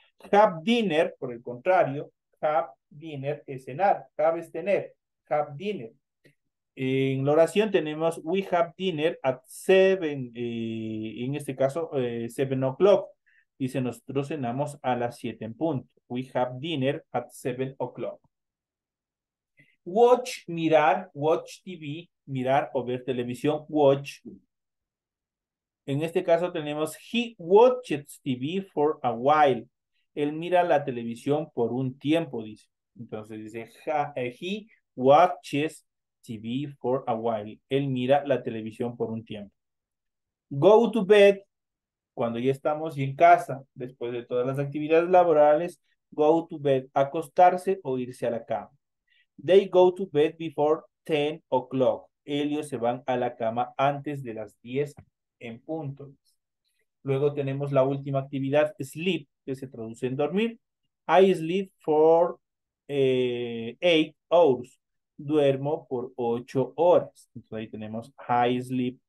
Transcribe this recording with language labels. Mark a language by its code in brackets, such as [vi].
[es] Have dinner, por el contrario, [en] have dinner [es] es cenar, have es tener, have dinner. En la oración tenemos [en] we have dinner at seven, [es] en este caso, [en] 7 o'clock. [es] Dice, nosotros cenamos a las 7 en punto. [en] We have dinner at 7 o'clock. [es] Watch, mirar, [en] watch TV, [es] mirar o ver televisión, watch. En este caso tenemos [en] he watches TV for a while. [es] Él mira la televisión por un tiempo, dice. Entonces dice, [en] he watches TV for a while. [es] Él mira la televisión por un tiempo. [en] Go to bed, [es] cuando ya estamos y en casa, después de todas las actividades laborales, [en] go to bed, [es] acostarse o irse a la cama. [en] They go to bed before 10 o'clock. [es] Ellos se van a la cama antes de las 10 en punto. Luego tenemos la última actividad, sleep, que se traduce en dormir. [en] I sleep for 8 hours. [es] Duermo por 8 horas. Entonces ahí tenemos [en] I sleep.